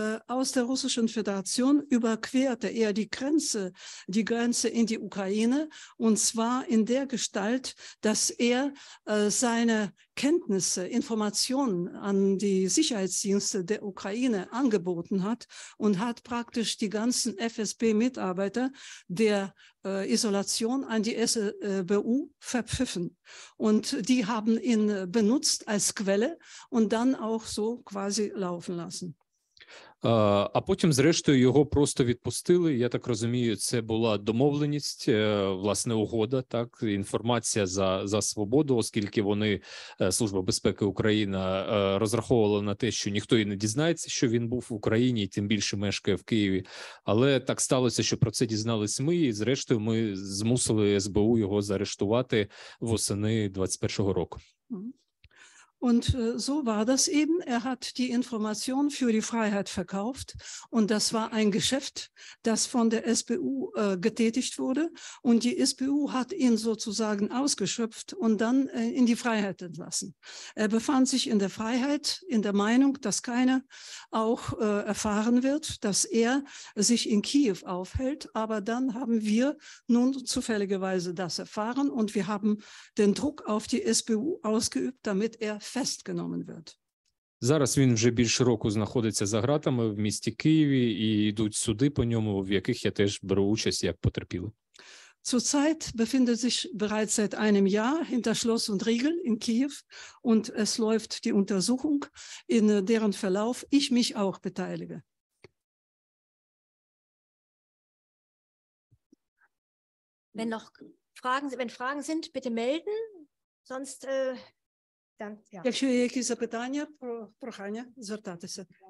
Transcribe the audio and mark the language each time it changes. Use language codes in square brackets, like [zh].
[de] aus der Russischen Föderation überquerte er die Grenze in die Ukraine, und zwar in der Gestalt, dass er seine Kenntnisse, Informationen an die Sicherheitsdienste der Ukraine angeboten hat und hat praktisch die ganzen FSB-Mitarbeiter der Isolation an die SBU verpfiffen. Und die haben ihn benutzt als Quelle und dann auch so quasi laufen lassen. [uk] А потім, зрештою, його просто відпустили. Я так розумію, це була домовленість, власне, угода, так, інформація за свободу, оскільки вони, Служба безпеки України, розраховувала на те, що ніхто і не дізнається, що він був в Україні, і тим більше мешкає в Києві. Але так сталося, що про це дізнались ми, і зрештою ми змусили СБУ його заарештувати восени 21-го року. [de] Und so war das eben. Er hat die Information für die Freiheit verkauft. Und das war ein Geschäft, das von der SBU getätigt wurde. Und die SBU hat ihn sozusagen ausgeschöpft und dann in die Freiheit entlassen. Er befand sich in der Freiheit, in der Meinung, dass keiner auch erfahren wird, dass er sich in Kiew aufhält. Aber dann haben wir nun zufälligerweise das erfahren. Und wir haben den Druck auf die SBU ausgeübt, damit er festgenommen wird. [uk] Зараз він вже більше року знаходиться за ґратами в місті Києві і йдуть суди по ньому, в яких я теж беру участь як потерпілий. [de] Zurzeit befindet sich bereits seit einem Jahr hinter Schloss und Riegel in Kiew und es läuft die Untersuchung, in deren Verlauf ich mich auch beteilige. Wenn noch Fragen, sind, bitte melden, sonst [uk] Якщо є якісь запитання, прохання звертатися.